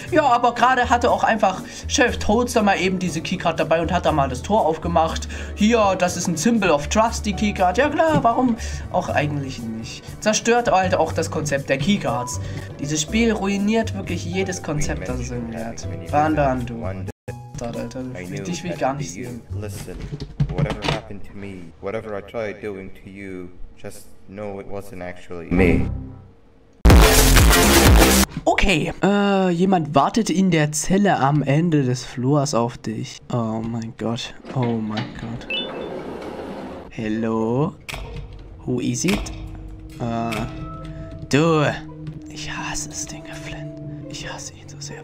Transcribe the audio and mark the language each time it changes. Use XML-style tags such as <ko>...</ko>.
<de>Ja, aber gerade hatte auch einfach Chef Toadster mal eben diese Keycard dabei und hat da mal das Tor aufgemacht. Hier, das ist ein</de> <en>Symbol of Trust,</en> <de>die Keycard. Ja klar, warum auch eigentlich nicht? Zerstört halt auch das Konzept der Keycards. Dieses Spiel ruiniert wirklich jedes Konzept, das es in mir hat. Bandan, du. Alter, dich will ich gar nicht sehen.</de> <en>Listen, whatever happened to me, whatever I tried doing to you, just know it wasn't actually me.</en> <de>Okay, jemand wartet in der Zelle am Ende des Flurs auf dich. Oh mein Gott, oh mein Gott.</de> <en>Hello? Who is it?</en> <de>Du, ich hasse das Ding, Flynn. Ich hasse ihn so sehr.</de>